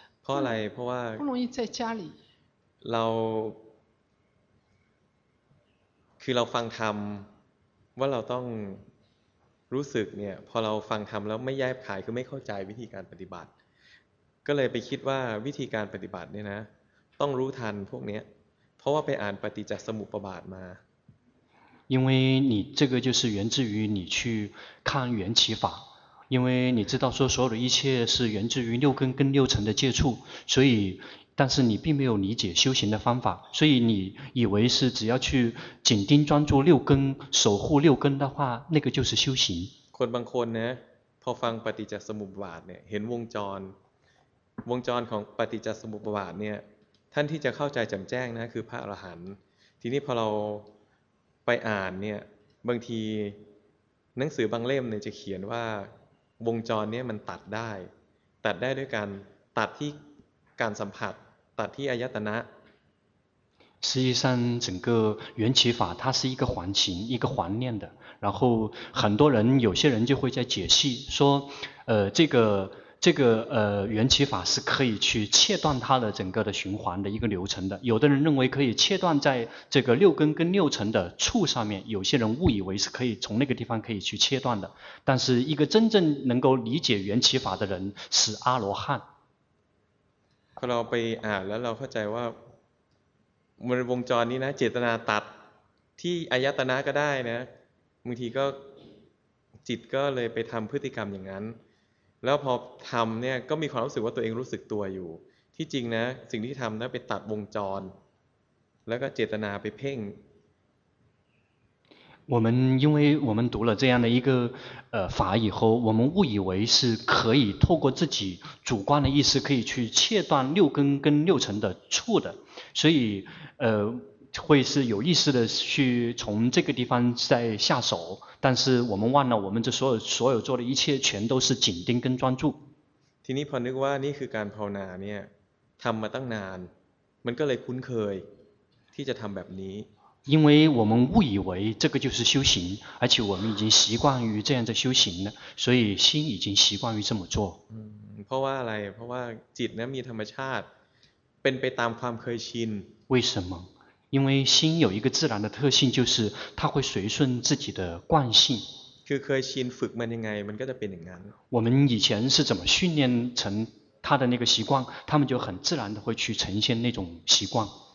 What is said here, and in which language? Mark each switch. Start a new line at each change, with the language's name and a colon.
Thai: เพราะอะไรเพราะว่า
Chinese: 不容易在家里
Thai: เราคือเราฟังธรรมว่าเราต้องรู้สึกเนี่ยพอเราฟังธรรมแล้วไม่แยบคายคือไม่เข้าใจวิธีการปฏิบัติก็เลยไปคิดว่าวิธีการปฏิบัติเนี่ยนะต้องรู้ทันพวกนี้เพราะว่าไปอ่านปฏิจจสมุปบาทมา
Chinese: 因为你这个就是源自于你去看缘起法因为你知道说所有的一切是源自于六根跟六尘的接触所以但是你并没有理解修行的方法所以你以为是只要去紧盯专注六根守护六根的话那个就是修行
Thai: คนบางคนนะพอฟังปฏิจจสมุปบาทเนี่ยเห็นวงจรของปฏิจจสมุปบาทเนี่ยท่านที่จะเข้าใจแจ่มแจ้งนะคือพระอรหันต์ทีนี้พอเราไปอ่านเนี่ยบางทีหนังสือบางเล่มเนี่ยจะเขียนว่าวงจรเนี่ยมันตัดได้ด้วยการตัดที่การสัมผัสตัดที่อายตนะ
Chinese: 实际上整个缘起法它是一个环形一个环念的然后很多人有些人就会在解析说这个缘起法是可以去切断它的整个的循环的一个流程的有的人认为可以切断在这个六根跟六尘的处上面有些人误以为是可以从那个地方可以去切断的但是一个真正能够理解缘起法的人是阿罗汉
Thai: พอเราไปอ่านแล้วเราเข้าใจว่ามันวงจรนี้นะเจตนาตัดที่อายตนะก็ได้นะบางทีก็จิตก็เลยไปทำพฤติกรรมอย่างนั้นแล้วพอทำเนี่ยก็มีความรู้สึกว่าตัวเองรู้สึกตัวอยู่ ที่จริงนะสิ่งที่ทำนะไปตัดวงจรแล้วก็เจตนาไปเพ่ง
Chinese: 我们因为我们读了这样的一个法以后，我们误以为是可以透过自己主观的意识可以去切断六根跟六尘的触的，所以会是有意识的去从这个地方再下手，但是我们忘了我们这所有做的一切全都是紧盯跟专注。
Thai: ทีนี้พอนึกว่านี่คือการภาวนาเนี่ยทำมาตั้งนานมันก็เลยคุ้นเคยที่จะทำแบบนี้
Chinese: 因为我们误以为这个就是修行，而且我们已经习惯于这样的修行了，所以心已经习惯于这么做。嗯，
Thai: เพราะว่าอะไร？ เพราะว่าจิตนั้นมีธรรมชาติเป็นไปตามความเคยชิน。
Chinese: 为什么？因为心有一个自然的特性，就是它会随顺自己的惯性。
Thai: คือเคยชินฝึกมันยังไงมันก็จะเป็นอย่างนั้น。
Chinese: 我们以前是怎么训练成他的那个习惯，他们就很自然的会去呈现那种习惯。